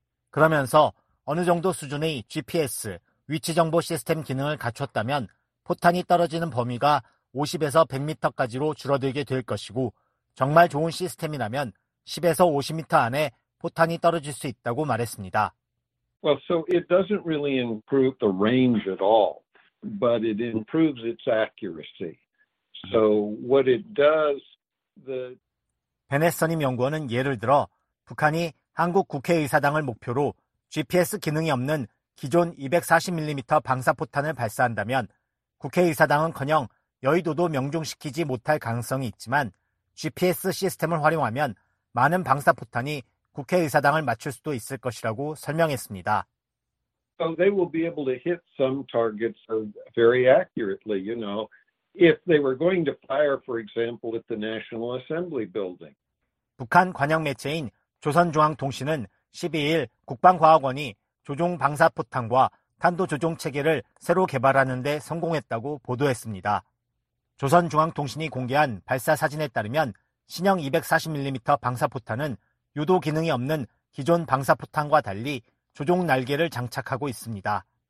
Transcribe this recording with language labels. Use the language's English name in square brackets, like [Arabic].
[Korean] 그러면서 어느 정도 수준의 GPS, 위치정보 시스템 기능을 갖췄다면 포탄이 떨어지는 범위가 50에서 100m까지로 줄어들게 될 것이고 정말 좋은 시스템이라면 10에서 50m 안에 포탄이 떨어질 수 있다고 말했습니다. [English] Well, so it doesn't really improve the range at all. But it improves its accuracy. So what it does, the [Korean] 베넷 선임 연구원은 예를 들어 북한이 한국 국회의사당을 목표로 GPS 기능이 없는 기존 240mm 방사포탄을 발사한다면 국회의사당은커녕 여의도도 명중시키지 못할 가능성이 있지만 GPS 시스템을 활용하면 많은 방사포탄이 국회의사당을 맞출 수도 있을 것이라고 설명했습니다. [English] So they will be able to hit some targets very accurately, you know, if they were going to fire, for example, at the National Assembly building. [Korean] 북한 관영 매체인 조선중앙통신은 12일 국방과학원이 조종 방사포탄과 탄도 조종 체계를 새로 개발하는 데 성공했다고 보도했습니다. 조선중앙통신이 공개한 발사 사진에 따르면 신형 240mm 방사포탄은 유도 기능이 없는 기존 방사포탄과 달리 조종 날개를 장착하고 있습니다.